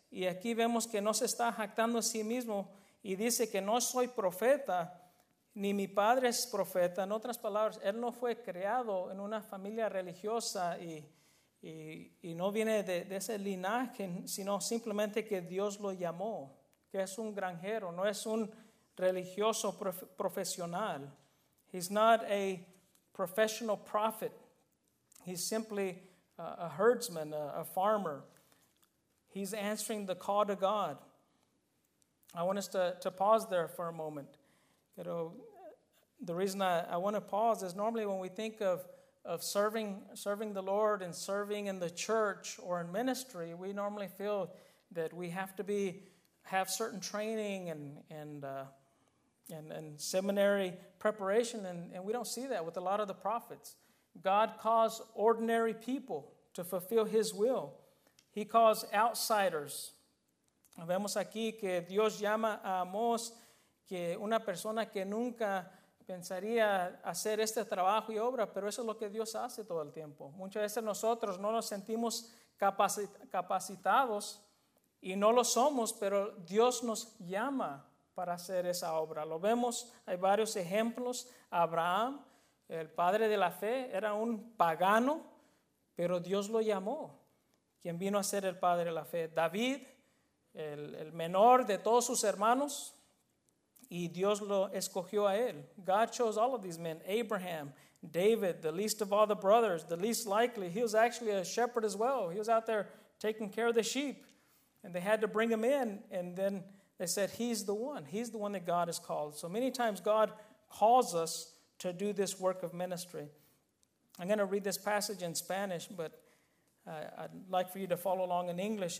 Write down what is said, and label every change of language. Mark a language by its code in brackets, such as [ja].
[es] Y aquí vemos que no se está jactando a sí mismo y dice que no soy profeta, ni mi padre es profeta. En otras palabras, él no fue creado en una familia religiosa y no viene de ese linaje, sino simplemente que Dios lo llamó, que es un granjero, no es un religioso profesional. [en] He's not a professional prophet. He's simply a herdsman, a farmer. He's answering the call to God. I want us to pause there for a moment. You know, the reason I want to pause is normally when we think of serving the Lord and serving in the church or in ministry, we normally feel that we have to have certain training and seminary preparation, and we don't see that with a lot of the prophets. God calls ordinary people to fulfill his will. He calls outsiders. [es] Vemos aquí que Dios llama a Amós, que una persona que nunca pensaría hacer este trabajo y obra, pero eso es lo que Dios hace todo el tiempo. Muchas veces nosotros no nos sentimos capacitados y no lo somos, pero Dios nos llama para hacer esa obra. Lo vemos, hay varios ejemplos. Abraham, el padre de la fe, era un pagano, pero Dios lo llamó, quien vino a ser el padre de la fe. David, el menor de todos sus hermanos, y Dios lo escogió a él. [en] God chose all of these men. Abraham, David, the least of all the brothers, the least likely. He was actually a shepherd as well. He was out there taking care of the sheep, and they had to bring him in, and then they said, he's the one. He's the one that God has called. So many times God calls us to do this work of ministry. I'm going to read this passage in Spanish, but I'd like for you to follow along in English.